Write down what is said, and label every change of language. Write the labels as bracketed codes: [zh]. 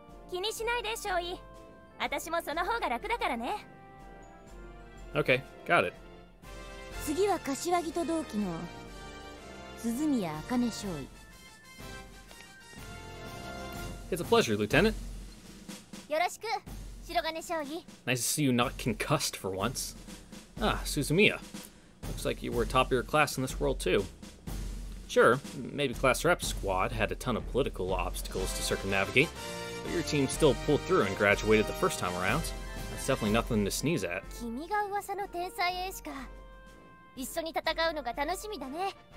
[ja] 気にしないで、ショーイ。私もその方が楽だからね。 [en] OK, got it. [ja] 次は柏木と同期の鈴宮あかね、ショーイ。 [en] It's a pleasure, Lieutenant. [ja] よろしく、白金ショーイ。 [en] Nice to see you not concussed for once. Ah, Suzumiya. Looks like you were top of your class in this world too. Sure, maybe Class Rep's squad had a ton of political obstacles to circumnavigate, but your team still pulled through and graduated the first time around. That's definitely nothing to sneeze at. [ja] 君が噂の天才エースか。一緒に戦うのが楽しみだね。